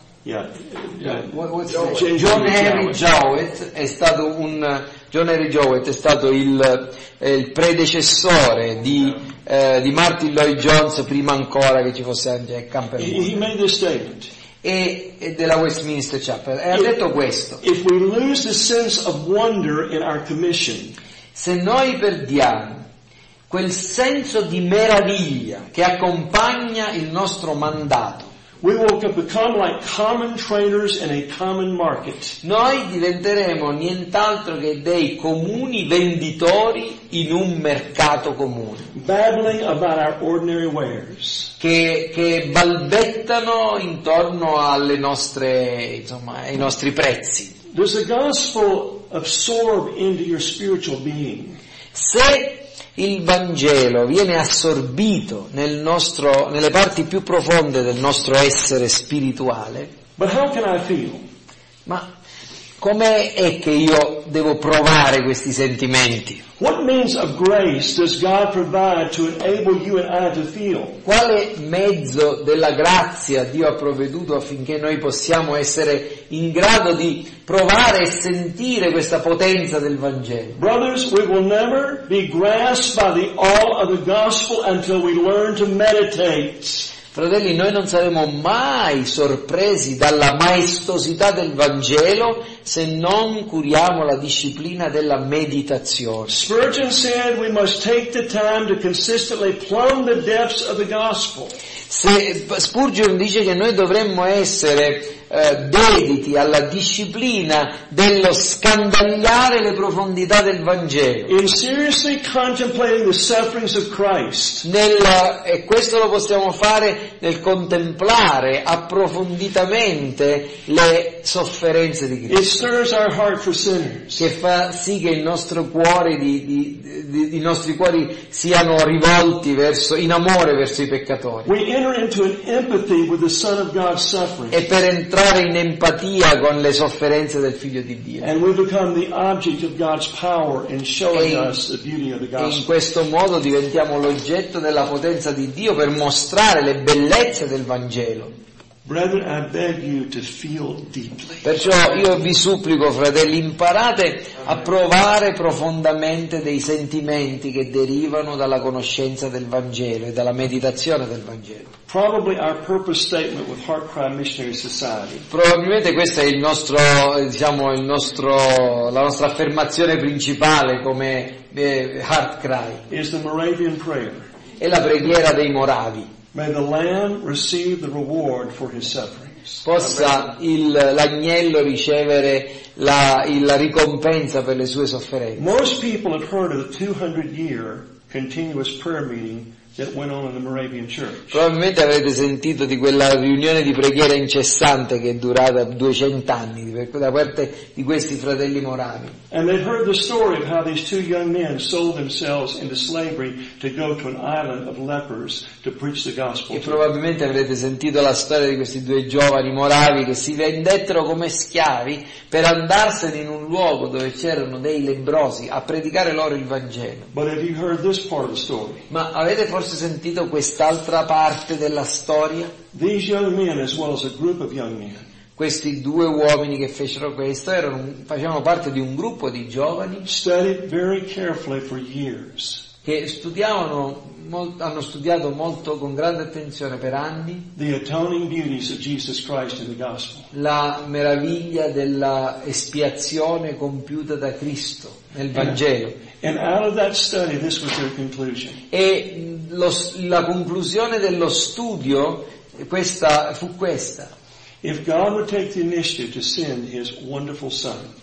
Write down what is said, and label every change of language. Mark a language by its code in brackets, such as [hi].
[it] John Henry Jowett è stato il predecessore di Martin Lloyd-Jones prima ancora che ci fosse Jack Campbell. [en] He made this statement. [it] E della Westminster Chapel. E ha detto questo. [en] If we lose the sense of wonder in our commission, [it] se noi perdiamo quel senso di meraviglia che accompagna il nostro mandato, [en] we will become like common trainers in a common market. [it] Noi diventeremo nient'altro che dei comuni venditori in un mercato comune. [en] Babbling about our ordinary wares. [it] Che balbettano intorno alle nostre, insomma, ai nostri prezzi. [en] Does the gospel absorb into your spiritual being? [it] Se il Vangelo viene assorbito nelle parti più profonde del nostro essere spirituale. [en] But how can I feel? [it] Ma come è che io devo provare questi sentimenti? [en] What means of grace does God provide to enable you and I to feel? [it] Quale mezzo della grazia Dio ha provveduto affinché noi possiamo essere in grado di provare e sentire questa potenza del Vangelo? [en] Brothers, we will never be grasped by the awe of the gospel until we learn to meditate. [it] Fratelli, noi non saremo mai sorpresi dalla maestosità del Vangelo se non curiamo la disciplina della meditazione. [en] Spurgeon said we must take the time to consistently plumb the depths of the gospel. [it] Se Spurgeon dice che noi dovremmo essere dediti alla disciplina dello scandagliare le profondità del Vangelo. [en] In seriously contemplating the sufferings of Christ. [it] E questo lo possiamo fare nel contemplare approfonditamente le sofferenze di Cristo. [en] It stirs our heart for sinners. [it] Che fa sì che il nostro cuore i nostri cuori siano rivolti in amore verso i peccatori. [en] We enter into an empathy with the Son of God's suffering. [it] E per entrare in empatia con le sofferenze del Figlio di Dio. [en] And we become the object of God's power in showing us the beauty of the gospel. [it] In questo modo diventiamo l'oggetto della potenza di Dio per mostrare le bellezze del Vangelo. [en] Brethren, I beg you to feel deeply. [it] Perciò io vi supplico, fratelli, imparate a provare profondamente dei sentimenti che derivano dalla conoscenza del Vangelo e dalla meditazione del Vangelo. [en] Probably our purpose statement with Heart Cry Missionary Society. [it] Probabilmente questa è la nostra affermazione principale come Heart Cry. [en] Is the Moravian prayer. [it] È la preghiera dei Moravi. [en] May the Lamb receive the reward for his sufferings. [it] Possa l'agnello ricevere la ricompensa per le sue sofferenze. [en] Most people have heard of the 200-year continuous prayer meeting that went on in the Moravian Church. [it] Probabilmente avete sentito di quella riunione di preghiera incessante che è durata 200 anni da parte di questi fratelli moravi. [en] And they've heard the story of how these two young men sold themselves into slavery to go to an island of lepers to preach the gospel. [it] E probabilmente avrete sentito la storia di questi due giovani moravi che si vendettero come schiavi per andarsene in un luogo dove c'erano dei lebbrosi a predicare loro il Vangelo. [en] But have you heard this part of the story? [it] Ma avete forse sentito quest'altra parte della storia? [en] These young men, as well as a group of young men. [it] Questi due uomini che fecero questo facevano parte di un gruppo di giovani. [en] Studied very carefully for years. [it] Che hanno studiato molto con grande attenzione per anni. [en] The atoning beauties of Jesus Christ in the gospel. [it] La meraviglia della espiazione compiuta da Cristo nel Vangelo. [en] And out of that study, this was their conclusion. [it] E la conclusione dello studio questa fu questa. [en] If God would take the initiative to send His wonderful Son.